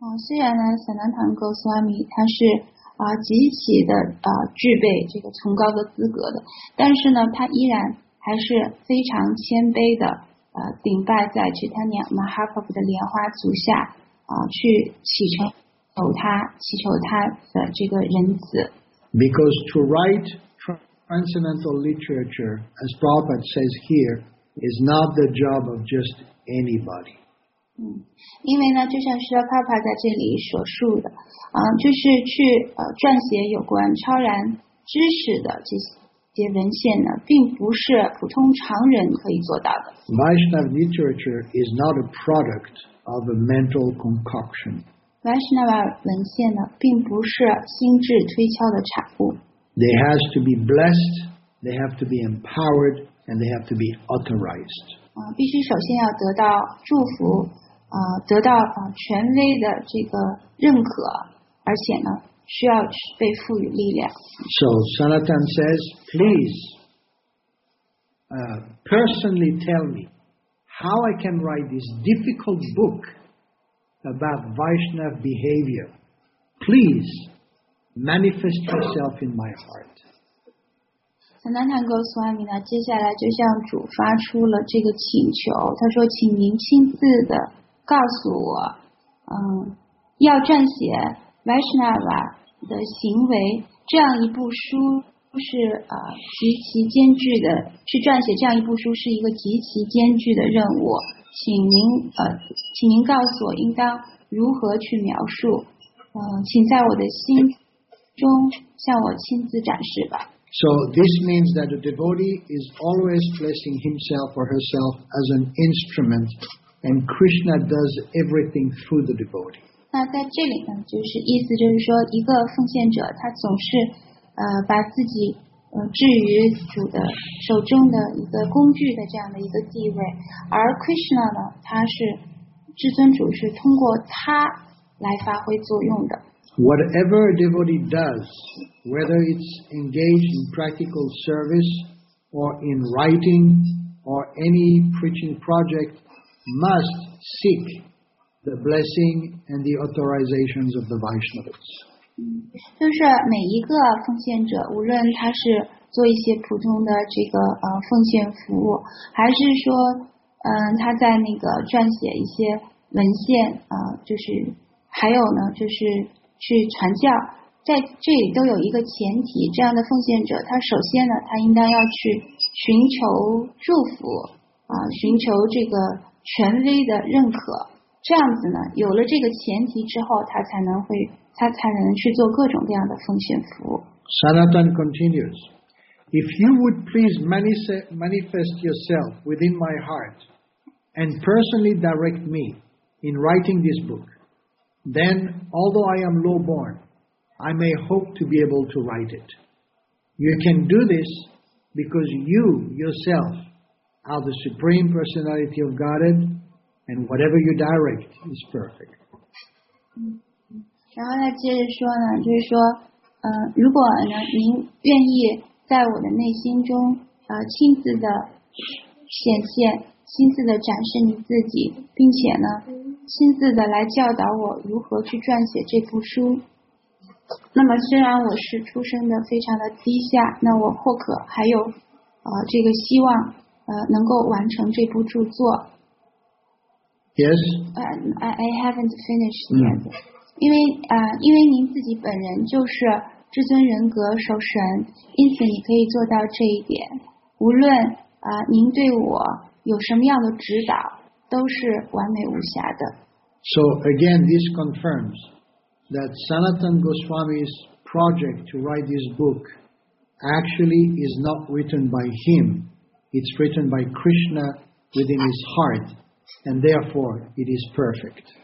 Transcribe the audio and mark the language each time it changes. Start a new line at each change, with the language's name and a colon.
Chinese: 虽然呢 Sanatana Goswami 他是、极其的、具备这个崇高的资格的，但是呢他依然还是非常谦卑的、顶拜在 Chaitanya Mahaprabhu 的莲花足下、去祈求他的这个仁慈。
English: Because to write transcendental literature, as Prabhupada says here, is not the job of just anybody.
Chinese: 因为呢，就像是帕帕在这里所述的，就是去撰写有关超然知识的这些文献呢，并不是普通常人可以做到的。
English: Vaishnava literature is not a product of a mental concoction.
Chinese: Vaishnava 文献呢，并不是心智推敲的产物。
English: They have to be blessed, they have to be empowered, and they have to be authorized.
Chinese: 必须首先要得到祝福，得到权威的这个认可，而且呢，需要被赋予力量。
English: So Sanatana says, please, personally tell me how I can write this difficult book about Vaishnav behavior. Please. Manifest yourself in my heart.
Chinese: Sanatana Goswami 呢，接下来就向主发出了这个请求。他说：“请您亲自的告诉我，要撰写 Vaishnava 的行为这样一部书是极其艰巨的，去撰写这样一部书是一个极其艰巨的任务。请您告诉我应当如何去描述，请在我的心。” 中向我亲自展示吧。
English: So this means that a devotee is always placing himself or herself as an instrument, and Krishna does everything through the devotee.
Chinese: 那在这里呢，就是意思就是说，一个奉献者他总是把自己置于主的手中的一个工具的这样的一个地位，而 Krishna 呢，他是至尊主，是通过他来发挥作用的。
English: Whatever a devotee does, whether it's engaged in practical service or in writing or any preaching project, must seek the blessing and the authorizations of the Vaishnavas.
Chinese: 就是每一个奉献者，无论他是做一些普通的这个奉献服务，还是说他在那个撰写一些文献就是还有呢，就是去传教，在这里都有一个前提，这样的奉献者，他首先呢，他应当要去寻求祝福寻求这个权威的认可，这样子呢，有了这个前提之后，他才能去做各种各样的奉献服务。
English: Sanatan continues, if you would please manifest yourself within my heart and personally direct me in writing this book. Then, although I am low-born, I may hope to be able to write it. You can do this because you, yourself, are the Supreme Personality of Godhead, and whatever you direct is perfect.
Chinese: 然后他接着说呢，就是说，如果呢，您愿意在我的内心中，亲自的显现，亲自的展示你自己，并且呢，亲自的来教导我如何去撰写这部书。那么虽然我是出生的非常的低下，那我或可还有这个希望能够完成这部著作。
English: Yes. I haven't finished yet.、Mm.
Chinese: 因为您自己本人就是至尊人格守神，因此你可以做到这一点。无论您对我有什么样的指导，都是完美无瑕的。
English: So again, this confirms that Sanatan Goswami's project to write this book actually is not written by him. It's written by Krishna within his heart, and therefore it is perfect.